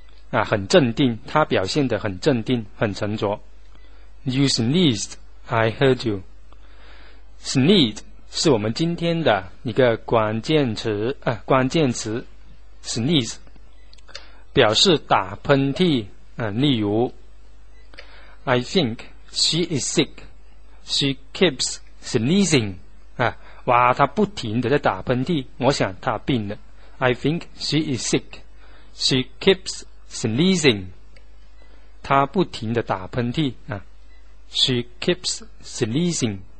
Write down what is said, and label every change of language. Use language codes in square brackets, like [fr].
[zh] 啊，很镇定，他表现得很镇定，很沉着。 [en] You sneezed, I heard you. [zh] Sneeze 是我们今天的一个关键词啊，关键词 sneeze 表示打喷嚏啊。例如 [en] ，I think she is sick. She keeps sneezing. [zh] 啊，哇，她不停地在打喷嚏，我想她病了。 [en] I think she is sick. She keeps sneezing, [zh] 他不停地打喷嚏啊。 [en] She keeps sneezing.